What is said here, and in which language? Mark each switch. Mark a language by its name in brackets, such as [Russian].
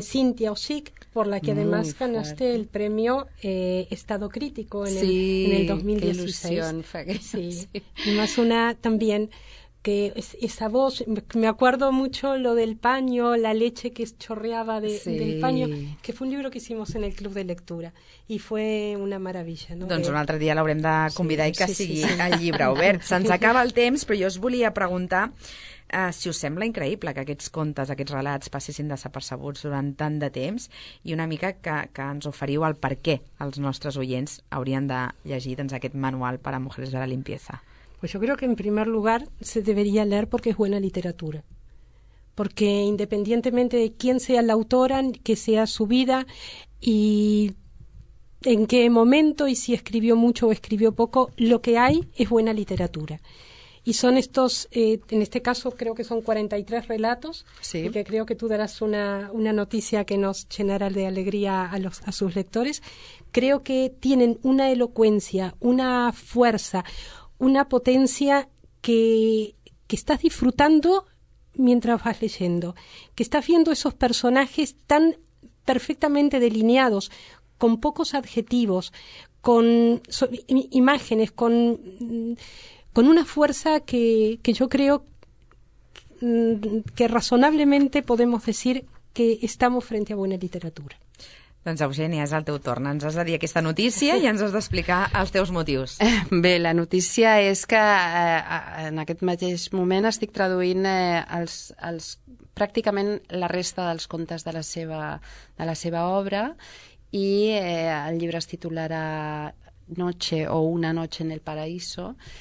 [Spanish] Cynthia Ossick, por la que además ganaste el premio Estado Crítico en el 2016. Sí, qué ilusión. Sí. Y más una también... que esa voz, me acuerdo mucho lo del paño, la leche que chorreaba del paño, que fue un libro que hicimos en el club de lectura y fue una maravilla, ¿no? [Catalan] Doncs un altre dia l'haurem de convidar el llibre obert. Se'ns acaba el temps, però jo us volia preguntar si us sembla increïble que aquests contes, aquests relats passessin desapercebuts durant tant de temps, i una mica que ens oferiu el per què els nostres oients haurien de llegir aquest manual per a Mujeres de la Limpieza. [Spanish] Pues yo creo que en primer lugar se debería leer porque es buena literatura. Porque independientemente de quién sea la autora, qué sea su vida y en qué momento y si escribió mucho o escribió poco, lo que hay es buena literatura. Y son estos, en este caso creo que son 43 relatos, sí. Y que creo que tú darás una noticia que nos llenará de alegría a sus lectores. Creo que tienen una elocuencia, una fuerza... una potencia que estás disfrutando mientras vas leyendo, que estás viendo esos personajes tan perfectamente delineados, con pocos adjetivos, con imágenes, con una fuerza que yo creo que razonablemente podemos decir que estamos frente a buena literatura. [Catalan] Doncs, Eugènia, és el teu torn. Ens has de dir aquesta notícia i ens has d'explicar els teus motius. Bé, la notícia és que en aquest mateix moment estic traduint els pràcticament la resta dels contes de la seva obra, i el llibre es titularà Noche o Una noche en el paraíso.